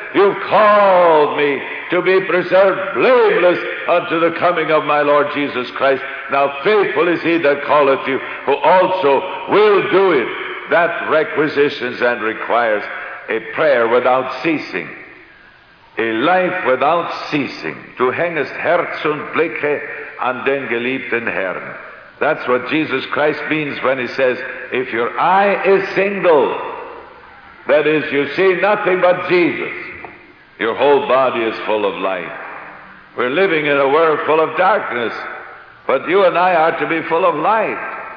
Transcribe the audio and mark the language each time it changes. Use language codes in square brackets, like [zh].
[en] You've called me to be preserved blameless unto the coming of my Lord Jesus Christ. Now faithful is He that calleth you, who also will do it. That requisitions and requires a prayer without ceasing. A life without ceasing. [de] Du hängest Herz und Blicke an den geliebten Herrn. [en] That's what Jesus Christ means when He says, if your eye is single, that is, you see nothing but Jesus, your whole body is full of light. We're living in a world full of darkness, but you and I are to be full of light.